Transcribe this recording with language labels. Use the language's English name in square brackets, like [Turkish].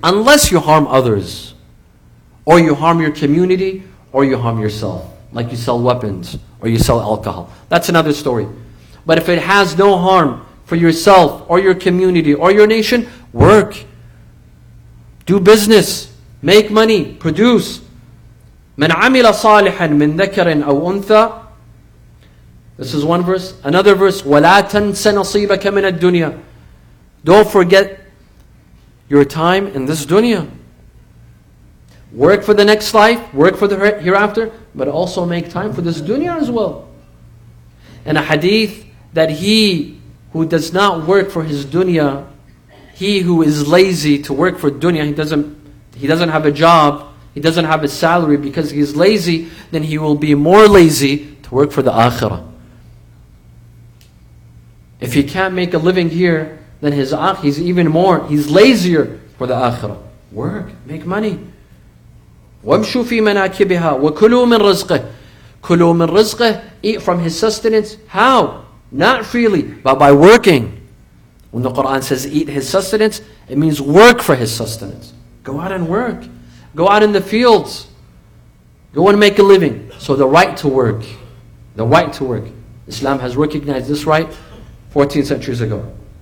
[English] Unless you harm others. Or you harm your community. Or you harm yourself. Like you sell weapons. Or you sell alcohol. That's another story. But if it has no harm for yourself or your community or your nation, work. Do business. Make money. Produce. [Arabic] مَنْ عَمِلَ صَالِحًا مِنْ ذَكَرٍ أَوْ أُنْثَى [English] This is one verse. Another verse. [Arabic] وَلَا تَنْسَ نَصِيبَكَ مِنَ الدُّنْيَا [English] Don't forget your time in this dunya. Work for the next life, work for the hereafter, but also make time for this dunya as well. And a hadith that he who does not work for his dunya, he who is lazy to work for dunya, he doesn't have a job, he doesn't have a salary because he's lazy, then he will be more lazy to work for the akhirah. If he can't make a living here, then he's lazier for the akhirah. Work, make money. [Arabic] وَمْشُوا فِي مَنَاكِبِهَا وَكُلُوا مِنْ رِزْقِهِ كُلُوا مِنْ رِزْقِهِ. [English] Eat from his sustenance. How? Not freely, but by working. When the Quran says eat his sustenance, it means work for his sustenance. Go out and work. Go out in the fields. Go and make a living. So the right to work. The right to work. Islam has recognized this right 14 centuries ago.